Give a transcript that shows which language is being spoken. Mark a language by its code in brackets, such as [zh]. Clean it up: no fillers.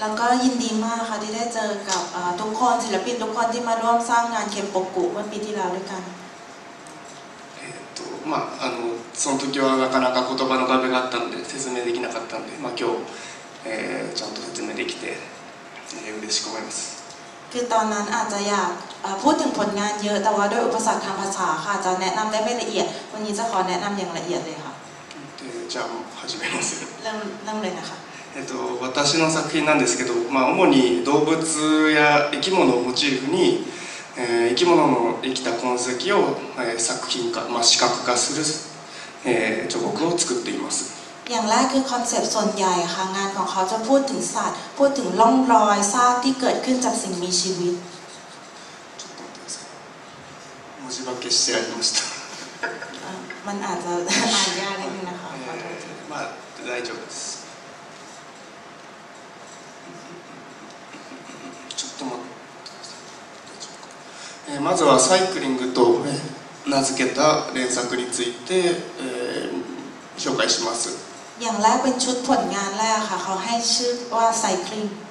[th] ล้วก็ยินดีมากค่ะที่ได้เจอกับทุกคนศิลปินทุกคนที่มาร่วมสร้างงานเคมโปกุเมื่อปีที่แล้วด้วยกัน [ja] まあ、あのその時はなかなか言葉の壁があったので説明できなかったので、まあ、今日、ちゃんと説明できて、嬉しく思います [th] คือตอนนั้นอาจจะอยากพูดถึงผลงานเยอะแต่ว่าด้วยอุปสรรคทางภาษาค่ะจะแนะนำได้ไม่ละเอียดวันนี้จะขอแนะนำอย่างละเอียดเลยค่ะ [ja] でじゃあ始めます [th] เริ่มเลยนะคะ [ja] 私の作品なんですけど、まあ、主に動物や生き物をモチーフに生き物の生きた痕跡を作品化、まあ、視覚化する彫刻を作っています。 [th] อย่างแรกคือคอนเซ็ปต์ส่วนใหญ่ค่ะงานของเขาจะพูดถึงสัตว์พูดถึงร่องรอยซากที่เกิดขึ้นจากสิ่งมีชีวิต。 [ja] ちょっと待ってください。文字化けしてありました。 [th] มันอาจจะอ่านยากนิดนึงนะคะ。 [ja] まあ大丈夫です。ちょっと待って。まずはサイクリングと名付けた連作について紹介します。 [th] อย่างแรกเป็นชุดผลงานแรกค่ะเขาให้ชื่อว่าไซคลิง。